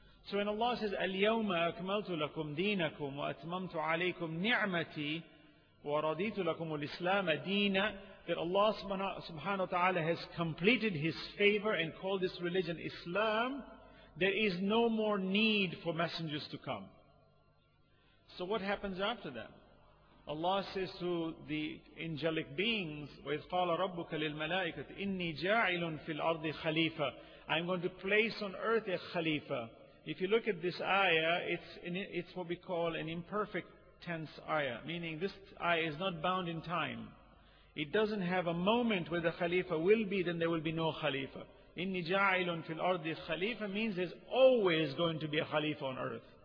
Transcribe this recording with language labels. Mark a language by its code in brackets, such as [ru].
[en] So when Allah says, [ar] أَلْيَوْمَ أَكْمَلْتُ لَكُمْ دِينَكُمْ وَأَتْمَمْتُ عَلَيْكُمْ نِعْمَتِي وَرَضِيتُ لَكُمُ الْإِسْلَامَ دِينَ, [en] that Allah subhanahu wa ta'ala has completed His favor and called this religion Islam, there is no more need for messengers to come. So what happens after that? Allah says to the angelic beings, [ar] وَإِذْ قَالَ رَبُّكَ لِلْمَلَائِكَةِ إِنِّي جَاعِلٌ فِي الْأَرْضِ خَلِيفَةً. [en] I'm going to place on earth a khalifa. If you look at this ayah, it's what we call an imperfect tense ayah, meaning this ayah is not bound in time. It doesn't have a moment where the khalifa will be, then there will be no khalifa. [ar] إِنِّي جَاعِلٌ فِي الْأَرْضِ خَلِيفَةً [en] means there's always going to be a khalifa on earth.